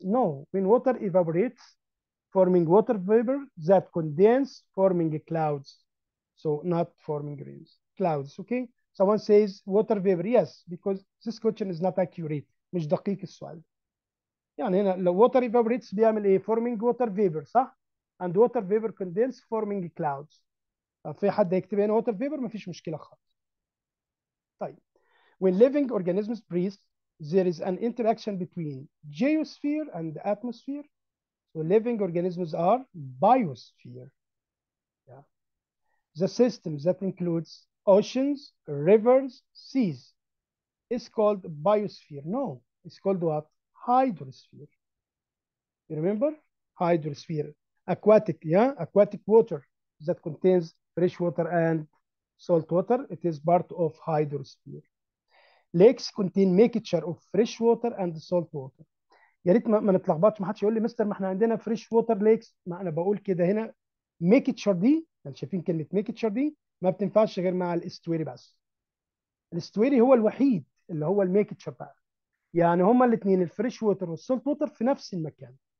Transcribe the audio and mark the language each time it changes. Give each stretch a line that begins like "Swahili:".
English: No, when water evaporates, forming water vapor that condense, forming clouds. So not forming rains, clouds. Okay. Someone says water vapor. Yes, because this question is not accurate.
Arabic: مش دقيق السؤال. يعني هنا لو
English: water evaporates
Arabic: بيعمل ايه؟
English: Forming water vapor صح؟ And water vapor condense forming clouds.
Arabic: طب في حد يكتب هنا
English: water vapor؟
Arabic: مفيش مشكلة خالص. طيب.
English: When living organisms breathe, there is an interaction between geosphere and atmosphere. So living organisms are biosphere. Yeah. The system that includes oceans, rivers, seas is called biosphere. No. It's called what? Hydrosphere. You remember? Hydrosphere. Aquatic, yeah? Aquatic water that contains fresh water and salt water. It is part of hydrosphere. Lakes contain mixture of fresh water and salt water.
Arabic: يا ريت ما نتلخبطش، ما حدش يقول لي مستر ما احنا عندنا
English: fresh water lakes.
Arabic: ما انا بقول كده هنا mixture دي، احنا شايفين كلمة mixture دي ما بتنفعش غير مع الاستواري بس. الاستواري هو الوحيد اللي هو الميكتشر بقى. يعني هما الاثنين
English: الفريش ووتر والسولت ووتر
Arabic: في نفس المكان.